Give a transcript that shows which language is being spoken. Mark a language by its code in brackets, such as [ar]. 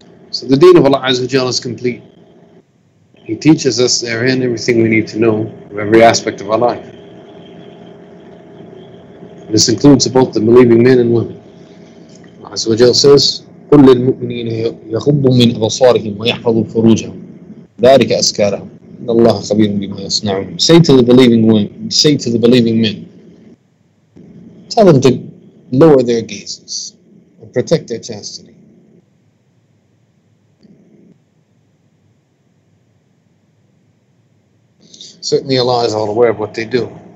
[en] So the deen of Allah Azza wa Jalla is complete. He teaches us therein everything we need to know of every aspect of our life. This includes both the believing men and women. [ar] Allah Azza wa Jalla says, قُلْ لِلْمُؤْمِنِينَ يَخُضُّ مِنْ أَبَصَارِهِمْ وَيَحْفَظُ فُرُوجَهُمْ ذَلِكَ أَسْكَارَهُمْ إِنَّ اللَّهَ خَبِيرٌ بِمَا يَصْنَعُونَ. [en] Say to the believing men, tell them to lower their gazes and protect their chastity. Certainly Allah is all aware of what they do.